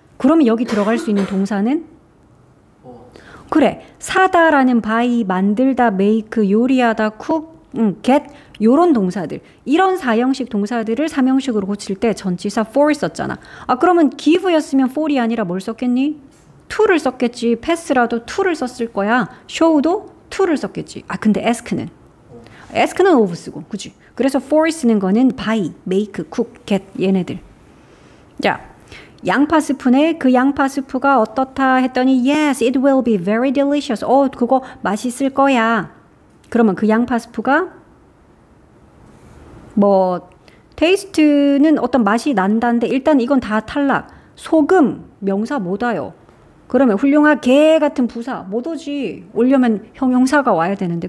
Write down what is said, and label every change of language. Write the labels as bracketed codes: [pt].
[ko] 그러면 여기 들어갈 수 있는 동사는 그래 사다라는 buy, 만들다, make, 요리하다, cook, get 요런 동사들 이런 4형식 동사들을 3형식으로 고칠 때 전치사 for 썼잖아. 아 그러면 give였으면 for이 아니라 뭘 썼겠니? to를 썼겠지. pass라도 to를 썼을 거야. show도 to를 썼겠지. 아 근데 ask는 ask는 of 쓰고, 그치? 그래서 for 쓰는 거는 buy, make, cook, get 얘네들. 자, 양파 스프네. 그 양파 스프가 어떻다 했더니 [en] yes, it will be very delicious. [ko] 그거 맛있을 거야. 그러면 그 양파 스프가 뭐 taste는 어떤 맛이 난다는데 일단 이건 다 탈락. 소금, 명사 못 와요. 그러면 훌륭하게 같은 부사 못 오지. 오려면 형용사가 와야 되는데.